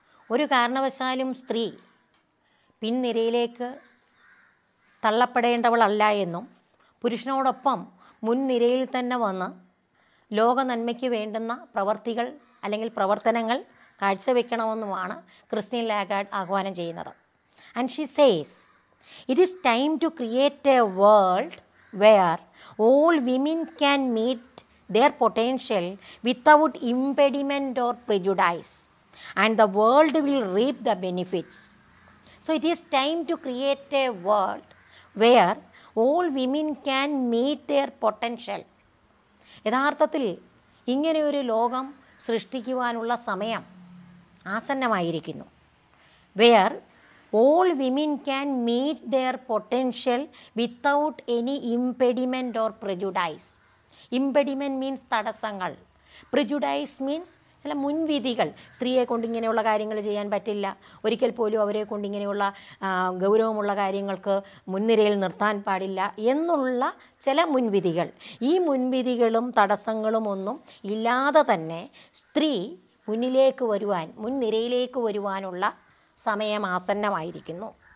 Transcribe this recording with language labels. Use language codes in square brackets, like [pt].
[ml] ഒരു കാരണവശാലും സ്ത്രീ പിൻനിരയിലേക്ക് തള്ളപ്പെടേണ്ടവളല്ല എന്നും പുരുഷനോടൊപ്പം മുൻനിരയിൽ തന്നെ വന്ന് ലോക നന്മയ്ക്ക് വേണ്ടുന്ന പ്രവൃത്തികൾ, അല്ലെങ്കിൽ പ്രവർത്തനങ്ങൾ കാഴ്ചവെക്കണമെന്നുമാണ് ക്രിസ്റ്റി ലാഗേർഡ് ആഹ്വാനം ചെയ്യുന്നത്. [en] And she says, it is time to create a world where all women can meet their potential without impediment or prejudice, and the world will reap the benefits. So it is time to create a world where all women can meet their potential. [ml] യഥാർത്ഥത്തിൽ ഇങ്ങനെയൊരു ലോകം സൃഷ്ടിക്കുവാനുള്ള സമയം ആസന്നമായിരിക്കുന്നു. [en] Where all women can meet their potential without any impediment or prejudice. Impediment means തടസ്സങ്ങൾ. [ml] Prejudice means ചില മുൻവിധികൾ. സ്ത്രീയെ കൊണ്ട് ഇങ്ങനെയുള്ള കാര്യങ്ങൾ ചെയ്യാൻ പറ്റില്ല, ഒരിക്കൽ പോലും അവരെ കൊണ്ട് ഇങ്ങനെയുള്ള ഗൗരവമുള്ള കാര്യങ്ങൾക്ക് മുൻനിരയിൽ നിർത്താൻ പാടില്ല എന്നുള്ള ചില മുൻവിധികൾ. ഈ മുൻവിധികളും തടസ്സങ്ങളും ഒന്നും ഇല്ലാതെ തന്നെ സ്ത്രീ മുന്നിലേക്ക് വരുവാൻ, മുൻനിരയിലേക്ക് വരുവാനുള്ള സമയം ആസന്നമായിരിക്കുന്നു.